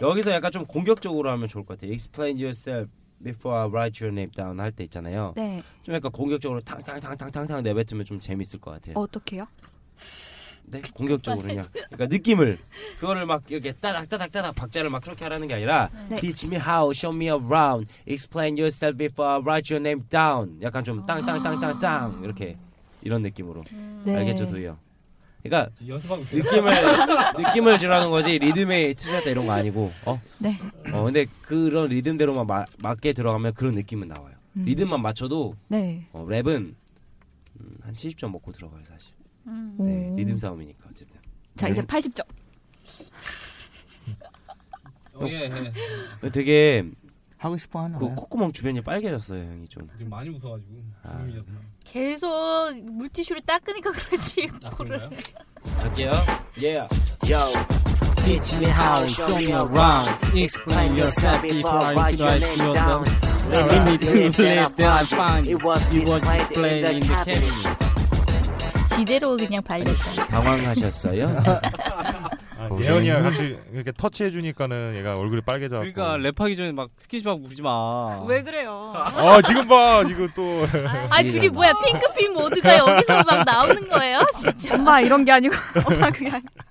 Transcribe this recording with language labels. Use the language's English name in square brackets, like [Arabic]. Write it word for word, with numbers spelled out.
[Korean] 여기서 약간 좀 공격적으로 하면 좋을 것 같아요. [English] Explain yourself before I write your name down [Korean] 할 때 있잖아요. 네. 좀 약간 공격적으로 탕탕탕탕탕탕 내뱉으면 좀 재밌을 것 같아요. 어떻게요? 네, 공격적으로 그냥. 그러니까 느낌을 그거를 막 이렇게 따닥 따닥 따닥 박자를 막 그렇게 하라는 게 아니라 네. [English] Teach me how, show me around, explain yourself before I write your name down. [Korean] 약간 좀 땅땅땅땅땅 이렇게 이런 느낌으로. 네. 알겠죠, 도희요? 그러니까 연습하고 느낌을 느낌을 주라는 거지 리듬에 틀렸다 이런 거 아니고. 어? 네. 어, 근데 그런 리듬대로만 마, 맞게 들어가면 그런 느낌은 나와요. 음. 리듬만 맞춰도 네. 어, 랩은 음, 한 칠십 점 먹고 들어가요, 사실. 음. 네, 리듬 싸움이니까 어쨌든. 자 이제 팔십 점. 어, 예, 예. 되게 하고 싶어 하는. 그 콧구멍 주변이 빨개졌어요, 형이 좀. 지금 많이 웃어가지고. 아. 계속 물티슈를 닦으니까 그렇지. 그래요? 할게요. Yeah. [English] Yo. Teach me how, show me around. Explain yourself before I write your name down. Let me believe that I found it was displayed in the cabinet. [Korean] 이대로 그냥 발렸다. 당황하셨어요? 예언이 형 같이 이렇게 터치해 주니까는 얘가 얼굴이 빨개져. 그러니까 랩하기 전에 막 스킨십하고 부르지 마. 왜 그래요? 아 지금 봐 지금 또. 아 그게 뭐야 핑크빛 모드가 여기서 막 나오는 거예요? 진짜. 엄마 이런 게 아니고 엄마 그냥.